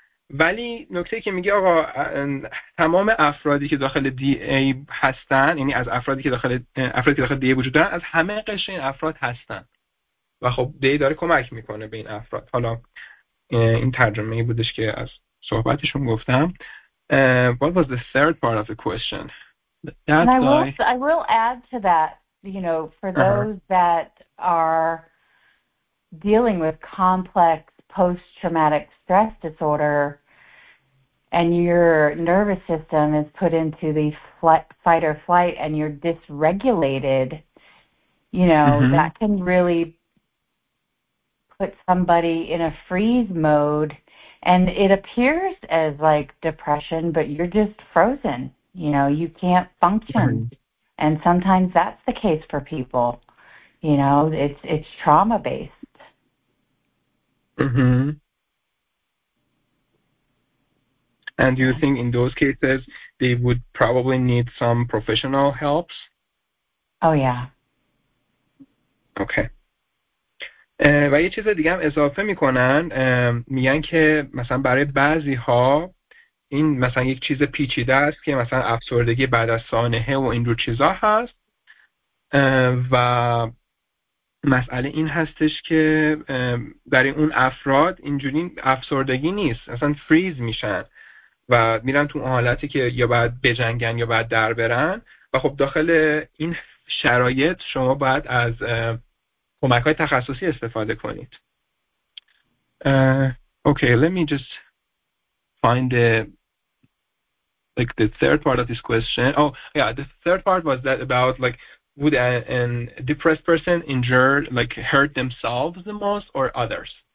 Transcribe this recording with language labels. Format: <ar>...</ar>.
<fa>ولی نکته که میگه آقا تمام افرادی که داخل دی ای هستن، یعنی از افرادی که داخل دی ای وجود دارن، از همه قشر این افراد هستن، و خب دی ای داره کمک میکنه به این افراد. حالا این ترجمه بودش که از صحبتشون گفتم.</fa> <en>What was the third part of the question? I will add to that, you know, for those that are dealing with complex post-traumatic stress disorder and your nervous system is put into the fight or flight and you're dysregulated, you know, that can really put somebody in a freeze mode, and it appears as like depression, but you're just frozen, you know, you can't function. And sometimes that's the case for people, you know, it's trauma based. And do you think in those cases they would probably need some professional helps? Oh yeah. Okay.</en> <fa>و یه چیز دیگه هم اضافه میکنن، میگن که مثلا برای بعضی ها این مثلا یک چیز پیچیده است که مثلا افسردگی بعد از سانحه و اینجور چیزا هست، و مسئله این هستش که برای اون افراد اینجوری افسردگی نیست، مثلا فریز میشن و میرن تو حالتی که یا باید بجنگن یا باید در برن، و خب داخل این شرایط شما باید از کمک های تخصصی استفاده کنید.</fa> <en>Okay, let me just find the third part of this question. Oh, yeah, the third part was that about like would a depressed person injure, like hurt themselves the most or others?</en>